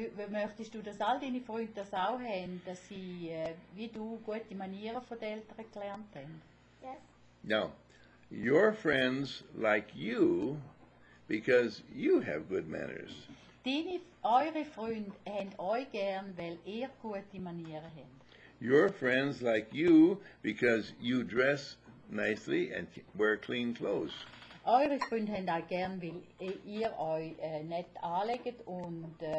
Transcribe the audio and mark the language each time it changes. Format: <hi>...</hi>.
<de>Möchtest du, dass all deine Freunde das auch haben, dass sie wie du gute Manieren von den Eltern gelernt haben?</de> <en>Yes. Now, your friends like you because you have good manners.</en> <de>Eure Freunde haben euch gern, weil ihr gute Manieren habt.</de> <en>Your friends like you because you dress nicely and wear clean clothes.</en> <de>Eure Freunde haben euch gern, weil ihr euch nett anlegt und</de>